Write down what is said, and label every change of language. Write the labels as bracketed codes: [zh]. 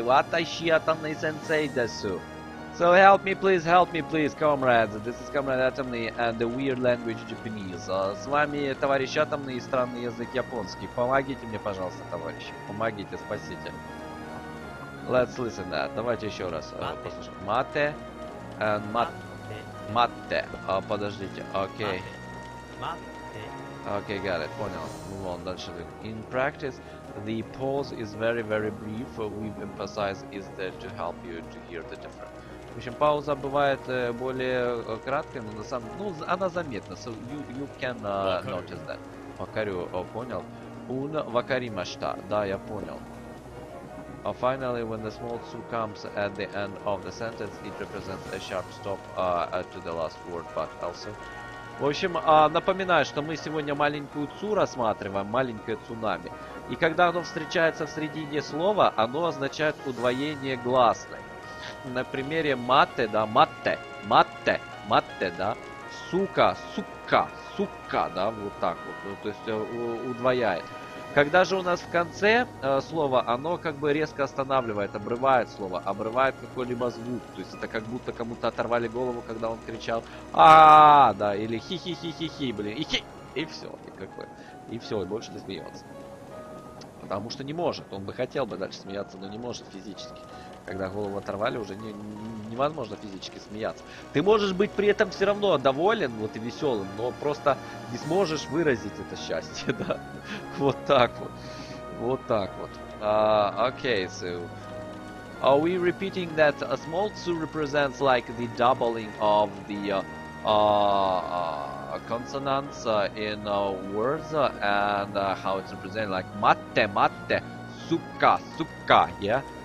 [ja] Ватайши атомный сенсей десу! [en] So help me please, comrades. This is Comrade Atomy and the weird language Japanese. [ru] С вами товарищ Атомный и странный язык японский. Помогите мне, пожалуйста, товарищи. Помогите, спасите. [en] Let's listen to that. [ru] Давайте еще раз послушаем. [en] Mate and mate. [ru] Подождите. [en] Okay. Okay, got it. [ru] Понял. [en] Move on. [ru] Дальше. [en] In practice, the pause is very, very brief. We've emphasized is there to help you to hear the difference. [ru] В общем, пауза бывает более краткой, но на самом, ну, она заметна. [en] So you can notice that. Вакарю, [ru] понял. Un вакаримашта. Да, я понял. [en] Finally, when the small tsu comes at the end of the sentence, it represents a sharp stop to the last word, but also. [ru] В общем, напоминаю, что мы сегодня маленькую цу рассматриваем, маленькое цунами. И когда оно встречается в середине слова, оно означает удвоение гласной. На примере мате, да, мате, да, сука, да, вот так вот, ну, то есть удвояет. Когда же у нас в конце слова, оно как бы резко останавливает, обрывает слово, обрывает какой-либо звук. То есть это как будто кому-то оторвали голову, когда он кричал «А-а-а-а», да, или «Хи-хи-хи-хи-хи», блин, и «Хи!» И все, и больше не смеется. Потому что не может, он бы хотел бы дальше смеяться, но не может физически. Когда голову оторвали, уже невозможно физически смеяться. Ты можешь быть при этом все равно доволен, вот и веселым, но просто не сможешь выразить это счастье, да? Вот так вот. Вот так вот. Окей, so... [en] Are we repeating that a small tsu represents like the doubling of the consonants in words and how it's represented like mate, suka, yeah?